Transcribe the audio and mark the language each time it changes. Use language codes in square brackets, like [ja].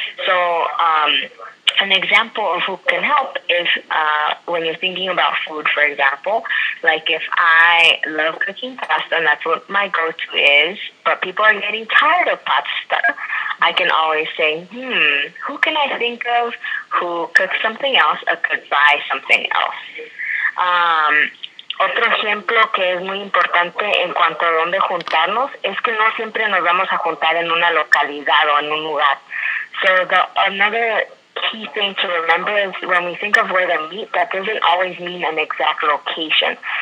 [en] So, an example of who can help is when you're thinking about food, for example. Like if I love cooking pasta and that's what my go-to is, but people are getting tired of pasta, I can always say, who can I think of who cooks something else or could buy something else? [es] Otro ejemplo que es muy importante en cuanto a dónde juntarnos es que no siempre nos vamos a juntar en una localidad o en un lugar. [en] So another key thing to remember is when we think of where to meet, that doesn't always mean an exact location.